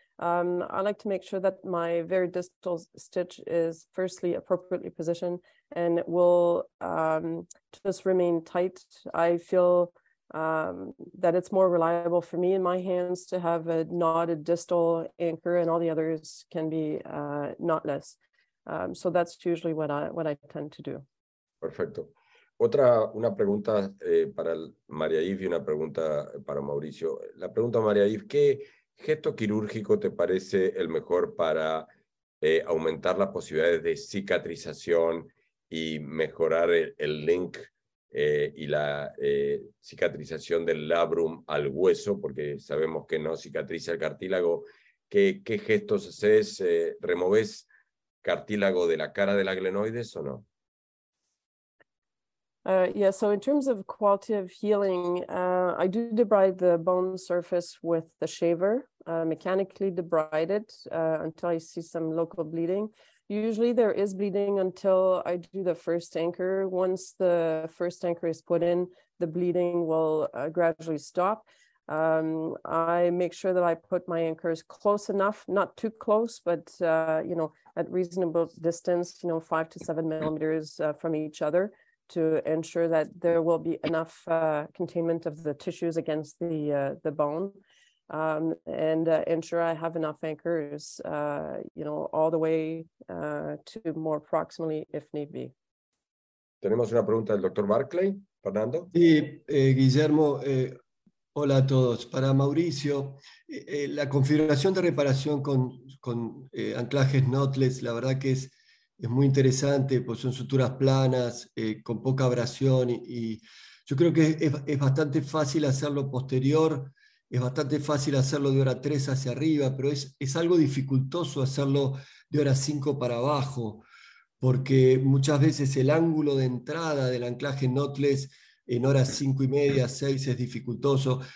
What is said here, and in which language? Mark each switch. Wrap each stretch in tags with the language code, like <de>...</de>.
<en>I like to make sure that my very distal stitch is firstly appropriately positioned and it will just remain tight. I feel that it's more reliable for me in my hands to have a knotted distal anchor, and all the others can be knotless. So that's usually what I tend to do.</en> <es>Perfecto. Una pregunta para María Yves y una pregunta para Mauricio. La pregunta, María Yves, ¿qué gesto quirúrgico te parece el mejor para aumentar las posibilidades de cicatrización y mejorar el link y la cicatrización del labrum al hueso? Porque sabemos que no cicatriza el cartílago. ¿Qué gestos haces? ¿Removes cartílago de la cara de la glenoides o no?</es> <en>So in terms of quality of healing, I do debride the bone surface with the shaver, mechanically debride it until I see some local bleeding. Usually there is bleeding until I do the first anchor. Once the first anchor is put in, the bleeding will gradually stop. I make sure that I put my anchors close enough, not too close, but, at reasonable distance, 5 to 7 millimeters from each other, to ensure that there will be enough containment of the tissues against the bone, and ensure I have enough anchors, all the way to more proximally if need be.</en> <es>Tenemos una pregunta del Dr. Barclay, Fernando. Sí, Guillermo, hola a todos. Para Mauricio, la configuración de reparación con anclajes knotless, la verdad que es muy interesante, pues son suturas planas, con poca abrasión, y yo creo que es bastante fácil hacerlo posterior, es bastante fácil hacerlo de hora 3 hacia arriba, pero es algo dificultoso hacerlo de hora 5 para abajo, porque muchas veces el ángulo de entrada del anclaje knotless en horas 5 y media, 6 es dificultoso.</es>